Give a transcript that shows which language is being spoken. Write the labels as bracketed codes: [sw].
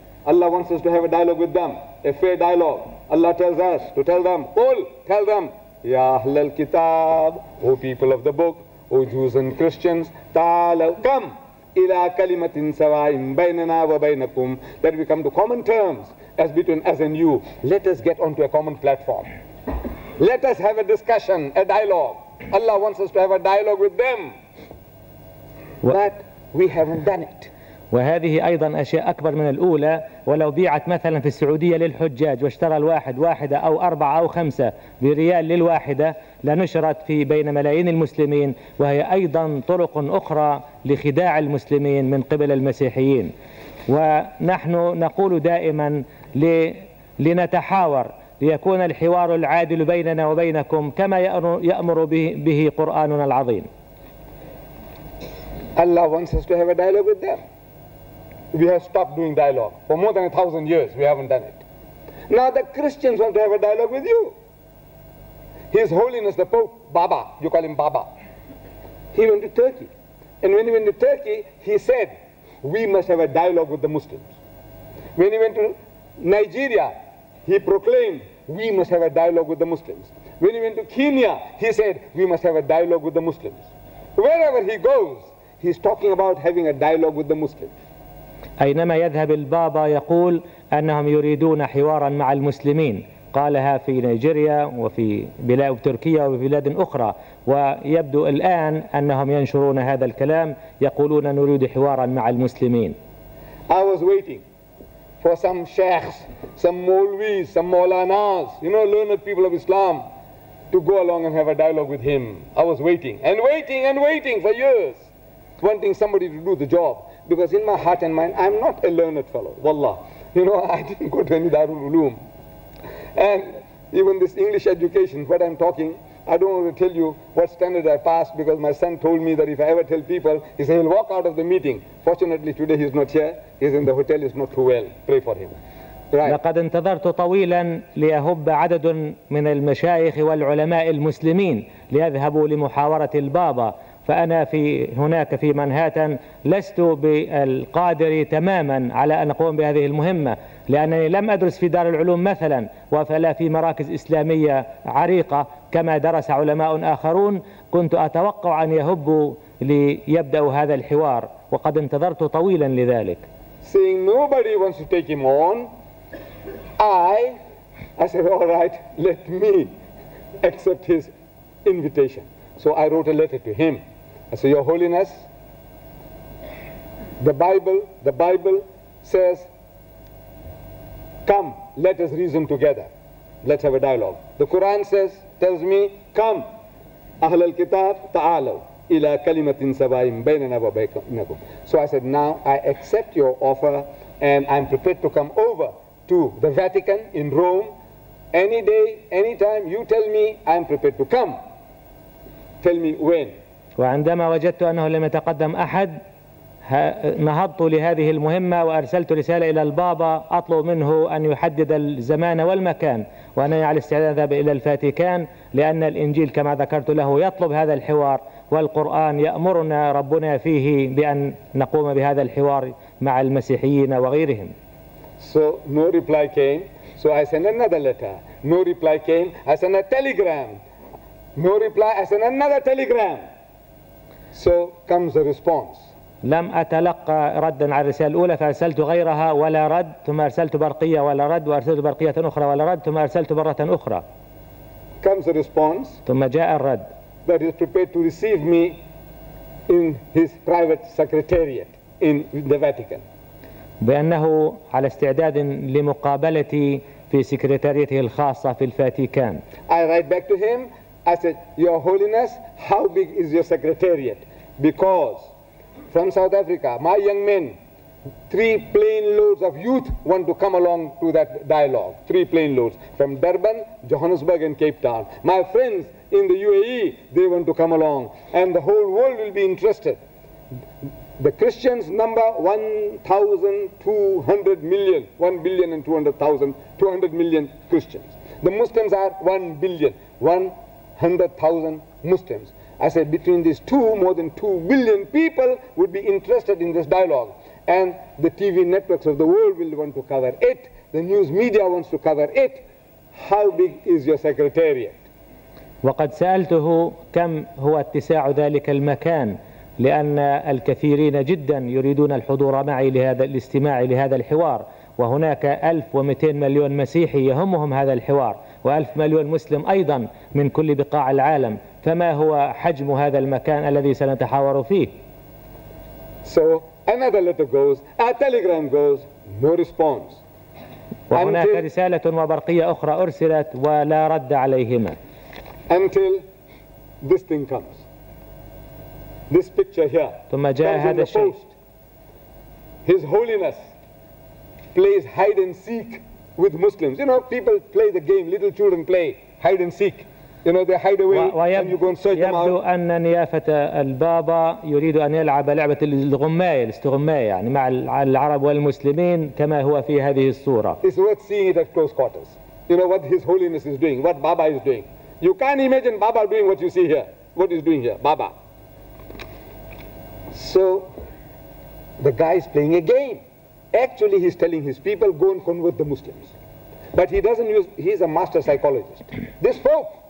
[en] Allah wants us to have a dialogue with them. A fair dialogue. Allah tells us to tell them, all, tell them, [ar] Ya Ahl al-Kitab, [en] O people of the book, O Jews and Christians, Ta'ala, come. [ar] إلى كلمة سواء بيننا وبينكم [en] that we come to common terms as between us and you. Let us get onto a common platform. Let us have a discussion, a dialogue. Allah wants us to have a dialogue with them. But we haven't done it. [ar] وهذه أيضا أشياء أكبر من الأولى ولو بيعت مثلا في السعودية للحجاج واشترى الواحد واحدة أو أربعة أو خمسة بريال للواحدة لنشرت في بين ملايين المسلمين وهي أيضا طرق أخرى لخداع المسلمين من قبل المسيحيين ونحن نقول دائما لنتحاور ليكون الحوار العادل بيننا وبينكم كما يأمر به قرآننا العظيم [en] الله wants us to have a dialogue with them. We have stopped doing dialogue. For more than 1,000 years, we haven't done it. Now the Christians want to have a dialogue with you. His Holiness, the Pope, Baba, you call him Baba. He went to Turkey. And when he went to Turkey, he said, we must have a dialogue with the Muslims. When he went to Nigeria, he proclaimed, we must have a dialogue with the Muslims. When he went to Kenya, he said, we must have a dialogue with the Muslims. Wherever he goes, he's talking about having a dialogue with the Muslims. [ar] أينما يذهب البابا يقول أنهم يريدون حوارا مع المسلمين. قالها في نيجيريا وفي بلاد تركيا وبلاد أخرى. ويبدو الآن أنهم ينشرون هذا الكلام، يقولون نريد حوارا مع المسلمين. [en] I was waiting for some sheikhs, some maulvis, some maulanas, you know, learned people of Islam, to go along and have a dialogue with him. I was waiting and waiting and waiting for years, wanting somebody to do the job. Because in my heart and mind, I'm not a learned fellow, wallah. You know, I didn't go to any Darul Uloom. And even this English education, what I'm talking, I don't want to tell you what standard I passed, because my son told me that if I ever tell people, he said he'll walk out of the meeting. Fortunately, today he's not here. He's in the hotel. He's not too well. Pray for him. [ar] لقد انتظرت طويلا ليهب عدد من المشايخ والعلماء المسلمين ليذهبوا لمحاورة البابا، فأنا في هناك في منهاتن لست بالقادر تماما على أن أقوم بهذه المهمة، لأنني لم أدرس في دار العلوم مثلا، ولا في مراكز إسلامية عريقة كما درس علماء آخرون. كنت أتوقع أن يهبوا ليبدأوا هذا الحوار، وقد انتظرت طويلا لذلك. [en] Seeing nobody wants to take him on, I said, all right, let me accept his invitation. So I wrote a letter to him. I said, Your Holiness, the Bible says, come, let us reason together. Let's have a dialogue. The Quran says, tells me, come, Ahl al-Kitab, [ar] ta'alaw, ila kalimatin sabayim baynana wa baynakum. [en] So I said, now I accept your offer and I'm prepared to come over to the Vatican in Rome, any day, any time, you tell me, I'm prepared to come. Tell me when. [ar] وعندما وجدت أنه لم يتقدم أحد، نهضت لهذه المهمة وأرسلت رسالة إلى البابا أطلب منه أن يحدد الزمان والمكان، وأنني على استعداد ذهب إلى الفاتيكان، لأن الإنجيل كما ذكرت له يطلب هذا الحوار، والقرآن يأمرنا ربنا فيه بأن نقوم بهذا الحوار مع المسيحيين وغيرهم. [en] So no reply came. So I sent another letter. No reply came. I sent a telegram. No reply. I sent another telegram. So comes the response. [ar] لم أتلقى ردا على الرسالة الأولى، فأرسلت غيرها ولا رد. ثم أرسلت برقية ولا رد، وأرسلت برقية أخرى ولا رد، ثم أرسلت برة أخرى. [en] Comes the response. [ar] ثم جاء الرد. [en] That is prepared to receive me in his private secretariat in the Vatican. [ar] بأنه على استعداد لمقابلتي في سكرتاريته الخاصة في الفاتيكان. [en] I write back to him. I said, Your Holiness, how big is your secretariat? Because from South Africa, my young men, three plane loads of youth want to come along to that dialogue. Three plane loads from Durban, Johannesburg and Cape Town. My friends in the UAE, they want to come along. And the whole world will be interested. The Christians number 1,200 million, 1 billion and 200,000, 200 million Christians. The Muslims are 1 billion, 100,000 Muslims. I said between these two, more than 2 billion people would be interested in this dialogue, and the TV networks of the world will want to cover it. The news media wants to cover it. How big is your secretariat? [ar] وقد سألته كم هو اتساع ذلك المكان، لأن الكثيرين جدا يريدون الحضور معي لهذا الاستماع لهذا الحوار، وهناك 1,200 مليون مسيحي يهمهم هذا الحوار، وألف مليون مسلم أيضا من كل بقاع العالم، فما هو حجم هذا المكان الذي سنتحاور فيه؟ [en] So another letter goes, a telegram goes, no response. [ar] وهناك رسالة وبرقية أخرى أرسلت ولا رد عليهما. [en] Until this thing comes. This picture here. [ar] ثم جاء هذا الشيء. [en] His Holiness plays hide and seek with Muslims. You know, people play the game. Little children play hide and seek. You know, they hide away and you go and search them out. [ar] يبدو أن نيافة البابا يريد أن يلعب لعبة الغماية، الاستغماية يعني، مع العرب والمسلمين كما هو في هذه الصورة. [en] It's worth seeing it at close quarters. You know what His Holiness is doing, what Baba is doing. You can't imagine Baba doing what you see here, what he's doing here, Baba. So the guy is playing a game. Actually, he's telling his people, go and convert the Muslims. But he's a master psychologist. This folk,